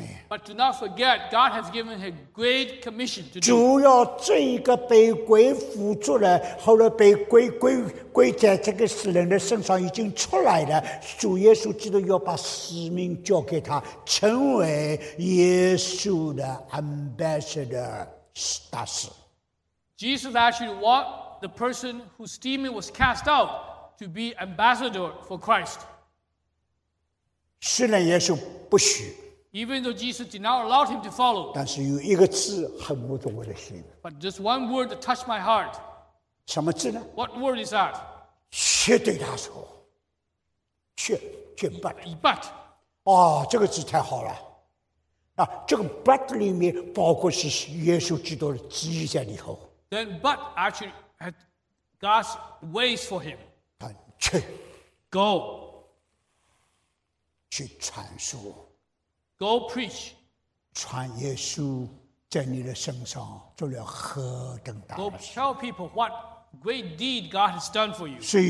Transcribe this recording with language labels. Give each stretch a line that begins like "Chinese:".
English: But do not forget, God has given him a great commission to do.
Chinese: 主要这一个被鬼附住了，后来被鬼在这个死人的身上已经出来了。主耶稣基督要把使命交给他，成为耶稣的ambassador大使。
English: Jesus actually wants the person whose demon was cast out to be ambassador for Christ.
Chinese: 虽然耶稣不许。
English: Even though Jesus did not allow him to follow,
Chinese: 但是有一个字很摸着我的心。
English: But just one word that touched my heart.
Chinese: 什么字呢？
English: What word is that?
Chinese: 却对他说，却 but.
English: But.
Chinese: 哦，这个字太好了。啊，这个 but 里面包括是耶稣基督的旨意在里头。
English: Then but actually had God's ways for him.
Chinese: 但去，
English: go.
Chinese: 去传说。
English: Go preach.
Chinese: 传耶稣在你的身上做了何等大的事。
English: Go tell people what great deed God has done for you.